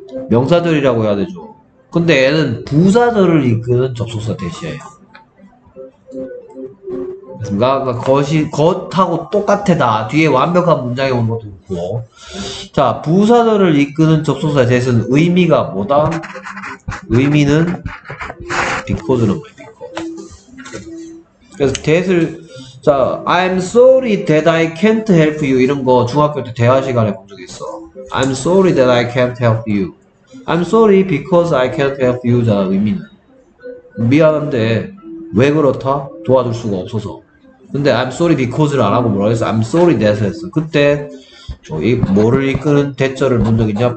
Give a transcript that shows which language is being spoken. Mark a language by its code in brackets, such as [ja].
[ko] 명사절이라고 해야 되죠. 근데 얘는 부사절을 이끄는 접속사 대시예요. 그니까, 겉하고 똑같아다. 뒤에 완벽한 문장이 온 것도 있고. 자, 부사절을 이끄는 접속사에 대해서는 의미가 뭐다? 의미는 because는 뭐예요, because. 그래서 that을, 자, [en] I'm sorry that I can't help you. [ko] 이런 거 중학교 때 대화 시간에 본 적 있어. [en] I'm sorry that I can't help you. I'm sorry because I can't help you. [ko] 자, 의미는. 미안한데, 왜 그렇다? 도와줄 수가 없어서. 근데 [en] I'm sorry because [ko] 를 안 하고 뭐라고 했어? [en] I'm sorry that [ko] 했어. 그때 저이 뭐를 이끄는 대절을 본 적 있냐?